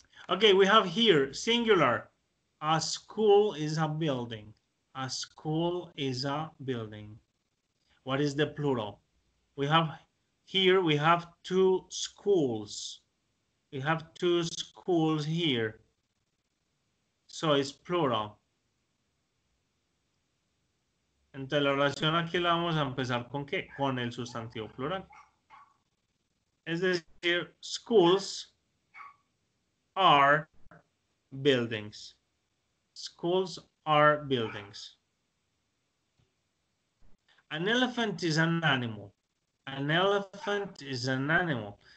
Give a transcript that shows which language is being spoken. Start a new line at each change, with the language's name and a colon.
English: Okay, we have here singular. A school is a building. A school is a building. What is the plural? We have here, we have two schools. We have two schools here. So it's plural.
Spanish: Entonces, la oración aquí la vamos a empezar ¿con qué? Con el sustantivo plural. Es decir,
English: schools are buildings. Schools are buildings. An elephant is an animal. An elephant is an animal.